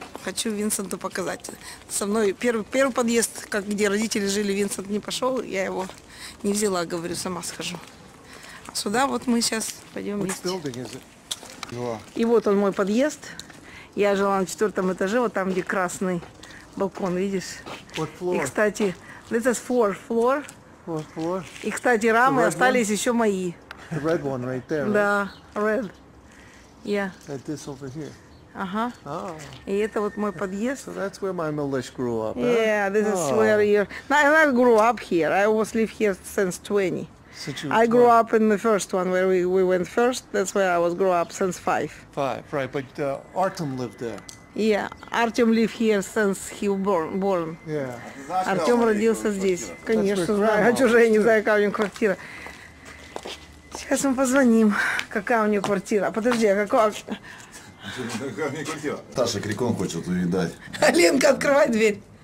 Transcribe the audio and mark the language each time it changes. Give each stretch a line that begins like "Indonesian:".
Russian: хочу Винсенту показать. Со мной первый подъезд, как, где родители жили, Винсент не пошел, я его не взяла, говорю, сама схожу. А сюда вот мы сейчас пойдем вместе. И вот он мой подъезд. Я жила на 4-м этаже, вот там, где красный балкон, видишь? И, кстати,
English: this is fourth floor.
Russian: И, кстати, рамы остались еще мои.
English: The red one right there.
Russian: Да,
English: red. Yeah. That this over here.
Russian: Ага. И это вот мой подъезд.
English: So that's where my Milish grew up. Yeah, huh? This is where you. No, I never grew up here. I always lived here since 20. I grew up in the first one where we went first. That's where I was grew up since 5. 5, right? But Artem lived there. Yeah, Artem lived here since he was born. Yeah.
Russian: Artem родился здесь. Конечно, знаю. Хочу же я не знаю, какая у него квартира. Сейчас мы позвоним, какая у него квартира. Подожди, а какая? Какая у него квартира? Таша Крикон хочет увидать. Алинка, открывай дверь.